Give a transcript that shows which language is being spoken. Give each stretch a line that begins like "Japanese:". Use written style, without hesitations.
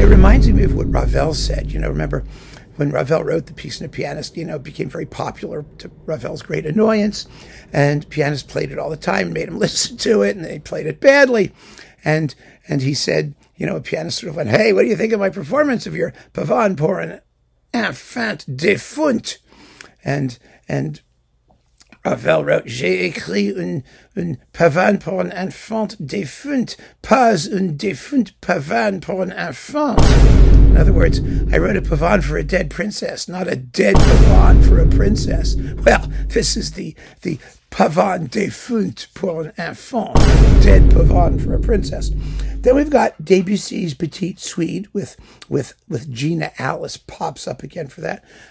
English: It reminds me of what Ravel said. You know, remember when Ravel wrote The Piece and a Pianist, you know, it became very popular to Ravel's great annoyance. And pianists played it all the time, made him listen to it, and they played it badly. And he said, you know, a pianist sort of went, hey, what do you think of my performance of your pavane pour un enfant defunt?
French: And Ravel wrote, j'ai écrit un pavane pour un enfant défunt, pas un défunt pavane pour un enfant.
English: In other words, I wrote a pavane for a dead princess, not a dead pavane for a princess. Well, this is the
French: pavane défunt pour un enfant,
English: dead pavane for a princess. Then we've got Debussy's Petite Suite with Gina Alice pops up again for that.